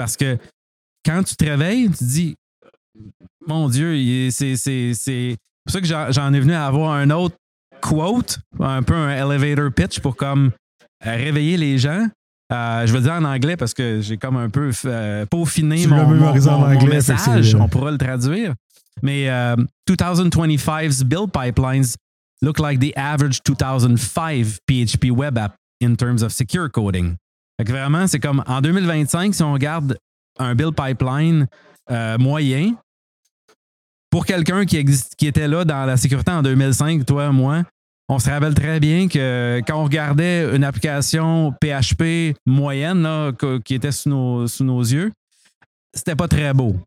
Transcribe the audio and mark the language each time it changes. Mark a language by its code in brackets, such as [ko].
[fr] Parce que quand tu te réveilles, tu te dis, mon Dieu, c'est pour ça que j'en ai venu à avoir un autre quote, un peu un elevator pitch pour comme réveiller les gens. Je vais dire en anglais parce que j'ai comme un peu peaufiné mon message. On pourra le traduire. Mais [en] 2025's build pipelines look like the average 2005 PHP web app in terms of secure coding. [fr] Fait que vraiment, c'est comme en 2025, si on regarde un build pipeline moyen, pour quelqu'un qui était là dans la sécurité en 2005, toi, moi, On se rappelle très bien que quand on regardait une application PHP moyenne là, qui était sous nos yeux, c'était pas très beau.